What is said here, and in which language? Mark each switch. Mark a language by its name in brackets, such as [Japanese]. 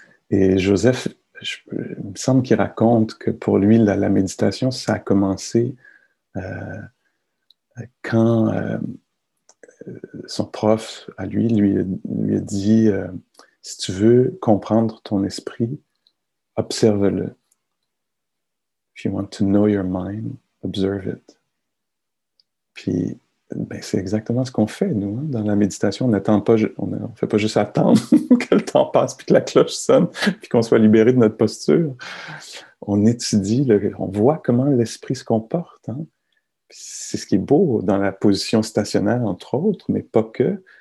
[French] Et Joseph, il me semble qu'il raconte que pour lui, la méditation, ça a commencé quand... son prof, à lui, lui a dit « Si tu veux comprendre ton esprit, observe-le. [English] If you want to know your mind, observe it. » [French] Puis, Ben, c'est exactement ce qu'on fait, nous, hein, dans la méditation. On n'attend pas, on ne fait pas juste attendre que le temps passe, puis que la cloche sonne, puis qu'on soit libéré de notre posture. On étudie, on voit comment l'esprit se comporte. Hein. C'est ce qui est beau dans la position stationnaire, entre autres, mais pas que.